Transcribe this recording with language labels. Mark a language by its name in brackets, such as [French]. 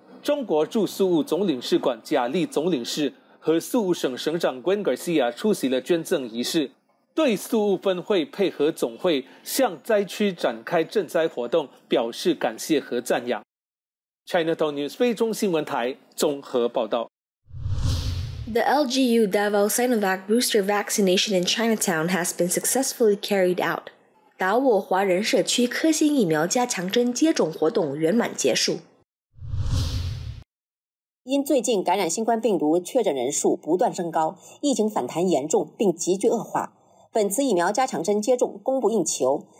[Chinese] 中国驻苏武总领事馆贾利总领事和苏武省省长 Gwen Garcia 出席了捐赠仪式。对苏武分会配合总会向灾区展开赈灾活动表示感谢和赞扬。 Chinatown News 非中新闻台综合报道。 [English] The LGU Davao Sinovac booster vaccination in Chinatown has been successfully carried out. [Chinese] 达沃华人社区科兴疫苗加强针接种活动圆满结束。因最近感染新冠病毒确诊人数不断升高，疫情反弹严重并急剧恶化，本次疫苗加强针接种供不应求。